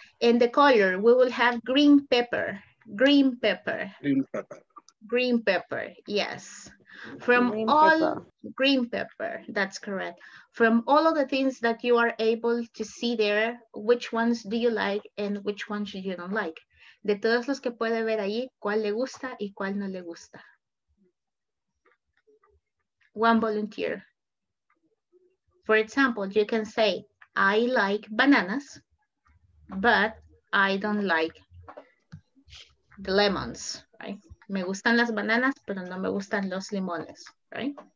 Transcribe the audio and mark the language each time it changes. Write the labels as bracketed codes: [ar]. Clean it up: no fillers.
[en] In the color, we will have green pepper. Green pepper. Green pepper. Green pepper. Yes. From green all pepper. Green pepper, that's correct. From all of the things that you are able to see there, which ones do you like and which ones you don't like? [es] De todos los que puede ver ahí, ¿cuál le gusta y cuál no le gusta? [en] One volunteer. For example, you can say, I like bananas, but I don't like the lemons, right? [es] Me gustan las bananas, pero no me gustan los limones, right?